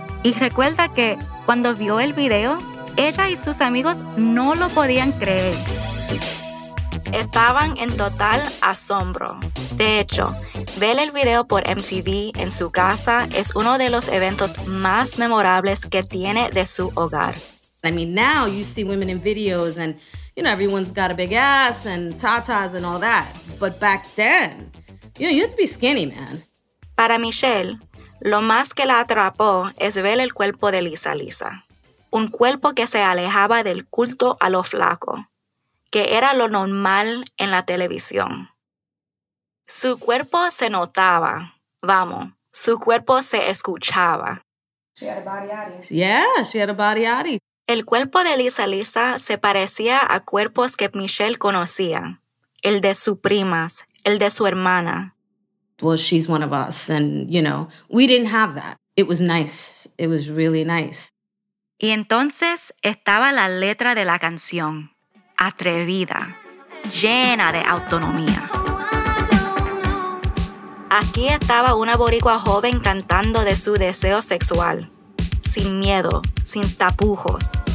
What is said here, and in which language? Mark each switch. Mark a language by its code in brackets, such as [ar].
[es] Y recuerda que cuando vio el video, ella y sus amigos no lo podían creer. Estaban en total asombro. De hecho, ver el video por MTV en su casa es uno de los eventos más memorables que tiene de su hogar. [en] I mean, now you see women in videos and, you know, everyone's got a big ass and tatas and all that. But back then, you know, you had to be skinny, man. [es] Para Michelle, lo más que la atrapó es ver el cuerpo de Lisa Lisa. Un cuerpo que se alejaba del culto a lo flaco, que era lo normal en la televisión. Su cuerpo se notaba, vamos, su cuerpo se escuchaba. [en] She had a body attitude. Yeah, she had a body attitude. [es] El cuerpo de Lisa Lisa se parecía a cuerpos que Michelle conocía, el de sus primas, el de su hermana. [en] Well, she's one of us, and, you know, we didn't have that. It was nice. It was really nice. [es] Y entonces estaba la letra de la canción, atrevida, llena de autonomía. Aquí estaba una boricua joven cantando de su deseo sexual, sin miedo, sin tapujos.